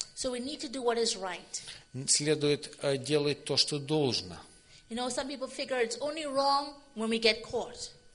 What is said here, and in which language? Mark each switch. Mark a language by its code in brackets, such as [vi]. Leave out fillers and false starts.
[en] So we need to do what is right. [ru] Следует делать то, что должно. [en] You know, some people figure it's only wrong when we get caught.